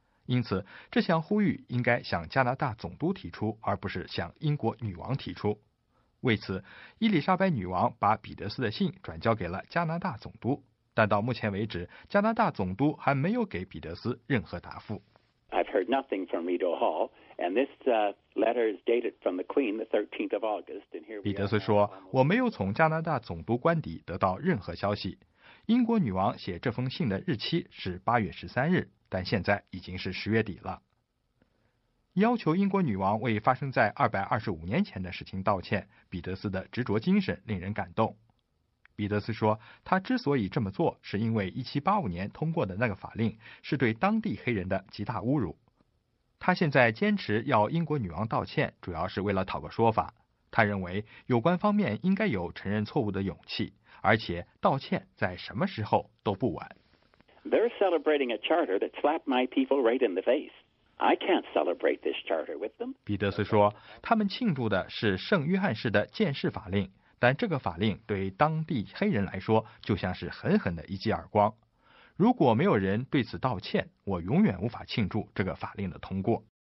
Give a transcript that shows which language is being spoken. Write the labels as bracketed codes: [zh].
[zh] 因此，这项呼吁应该向加拿大总督提出，而不是向英国女王提出。为此，伊丽莎白女王把彼得斯的信转交给了加拿大总督。但到目前为止，加拿大总督还没有给彼得斯任何答复。 [en] I've heard nothing from Rideau Hall, and this letter is dated from the Queen, the 13th of August. And here, [zh] 彼得斯说：“我没有从加拿大总督官邸得到任何消息。英国女王写这封信的日期是8月13日，但现在已经是10月底了。” 要求英国女王为发生在225年前的事情道歉，彼得斯的执着精神令人感动。彼得斯说，他之所以这么做，是因为1785年通过的那个法令是对当地黑人的极大侮辱。他现在坚持要英国女王道歉，主要是为了讨个说法。他认为有关方面应该有承认错误的勇气，而且道歉在什么时候都不晚。 [en] They're celebrating a charter that slapped my people right in the face. I can't celebrate this charter with them. [zh] 彼得斯说，他们庆祝的是圣约翰式的建设法令。但这个法令对当地黑人来说就像是狠狠的一记耳光。如果没有人对此道歉，我永远无法庆祝这个法令的通过。